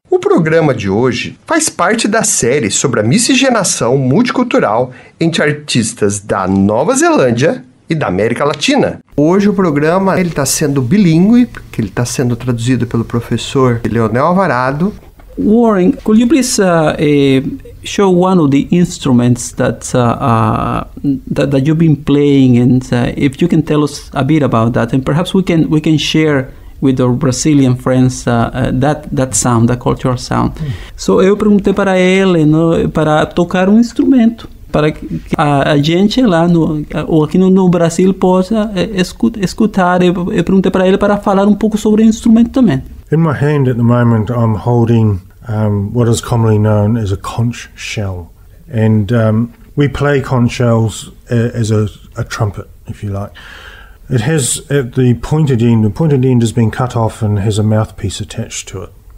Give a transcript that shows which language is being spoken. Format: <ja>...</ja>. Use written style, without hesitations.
<pt>O programa de hoje faz parte da série sobre a miscigenação multicultural entre artistas da Nova Zelândia e da América Latina. Hoje o programa está sendo bilíngue, porque ele está sendo traduzido pelo professor Leonel Alvarado.</pt> <en>Warren, could you please show one of the instruments that that you've been playing, and if you can tell us a bit about that, and perhaps we can share with our Brazilian friends that sound, that cultural sound. Mm.</en> <pt>So eu perguntei para ele, no, para tocar instrumento para que a gente lá no ou aqui no Brasil possa escutar. Eu perguntei para ele para falar pouco sobre o instrumento também.</pt> <en>In my hand at the moment, I'm holding what is commonly known as a conch shell. And we play conch shells as a trumpet, if you like. It has at the pointed end has been cut off and has a mouthpiece attached to it.</en>